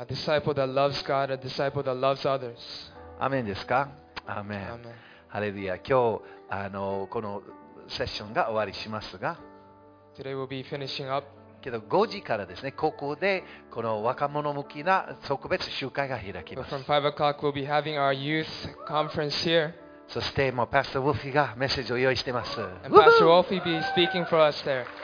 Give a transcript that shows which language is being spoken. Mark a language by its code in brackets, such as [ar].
[en] A disciple that loves God, a disciple that loves others. [ja] アメンですか？アメン。ハレルヤ。今日このセッションが終わりしますが、 [en] Today we'll be finishing up. [ja] けど5時からですね、ここでこの若者向きな特別集会が開きます。 [en] From 5 o'clock we'll be having our youth conference here. [ja] そしてもうパスタウォフィがメッセージを用意しています。 [en] And Pastor Wolfie be speaking for us there.